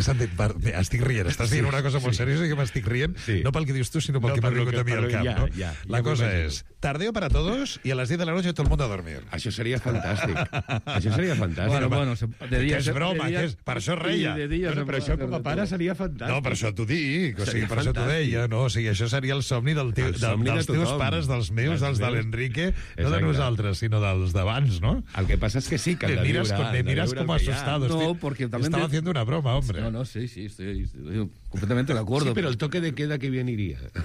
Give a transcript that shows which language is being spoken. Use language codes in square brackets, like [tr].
[ca] Estic rient, estàs dient una cosa molt seriosa i que m'estic rient, no pel que dius tu, sinó pel que m'ha vingut a mi al cap, no? [es] La cosa és, tardeo para todos y a las 10 de la noche todo el mundo a dormir. [ca] Això seria fantàstic. Això seria fantàstic. [es] Bueno, de dia... [ca] És broma, per això reia. Però això com a pare seria fantàstic. No, per això t'ho dic, o sigui, per això t'ho deia, no? O sigui, això seria el somni dels teus pares, dels meus, dels de l'Enrique, no de nosaltres, sinó dels d'abans, no? El que passa és que sí, que han de viure. Me mires com assustado. [es] No, porque también... Estava haciendo una broma, hombre. No, sí, sí, estoy completamente de acuerdo. Sí, pero el toque de queda que bien iría.